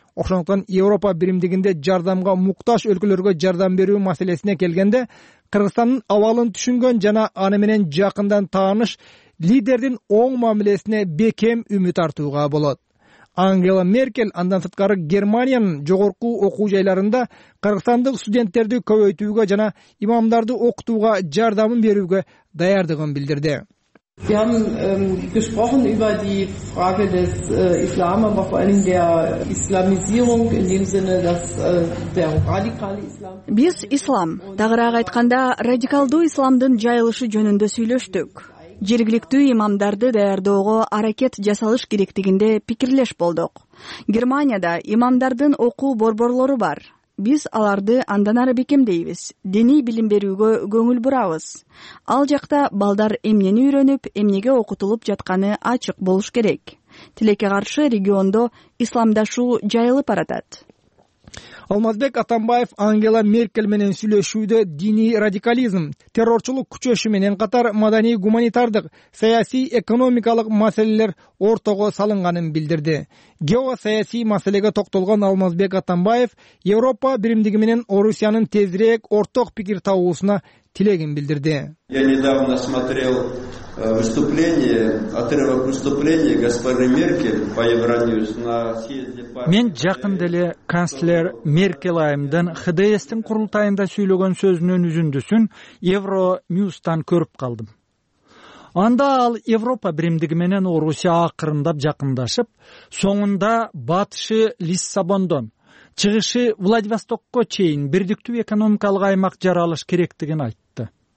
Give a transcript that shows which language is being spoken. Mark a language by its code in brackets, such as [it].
[ky] Ошондуктан Европа биримдигинде жардамга муктаж өлкөлөргө жардам берүү маселесине келгенде Кыргызстандын абалын түшүнгөн жана аны менен жакындан тааныш лидердин оң мамилесине бекем үмүт артууга болот. Ангела Меркель андан сырткары Германиянын жогорку окуу жайларында кыргызстандык студенттерди көбөйтүүгө жана имамдарды окутууга жардамын берүүгө даярдыгын билдирди. [de] Wir haben gesprochen über die Frage des Islam, aber vor allem der Islamisierung in dem Sinne, dass der radikale Islam. [ky] Биз ислам, тагыраак айтканда радикалдуу исламдын жайылышы жөнүндө сүйлөштүк. Жергиликтүү имамдарды даярдоого аракет жасалыш керектигинде пикирлеш болдук. Германияда имамдардын окуу борборлору бар. Биз аларды андан ары бекемдейбиз. Диний билим берүүгө көңүл бурабыз. Ал жакта балдар эмнени үйрөнүп, эмнеге окутулуп жатканы ачык болуш керек. Тилекке каршы региондо исламдашуу жайылып баратат. Алмазбек Атамбаев Ангела Меркель менен сүйлөшүүдө диний радикализм, террорчулук күчөшү менен катар маданий, гуманитардык, саясий, экономикалык маселелер ортого салынганын билдирди. Геосаясий маселеге токтолгон Алмазбек Атамбаев Европа биримдиги менен Орусиянын тезирээк ортак пикир табуусуна тилегин билдирди. [ru] Я недавно смотрел выступление, отрывок выступления госпожи Меркель по Евроньюз на съезде партии. [ky] Мен жакында эле канцлер Меркель айымдын ХДС-тин курултайында сүйлөгөн сөзүнүн үзүндүсүн Евроньюз-тан көрүп калдым. Анда ал Европа биримдиги менен Орусия акырындап жакындашып, соңунда батышы Лиссабондон, чыгышы Владивостокко чейин бирдиктүү экономикалык аймак жаралыш керектигин айтты.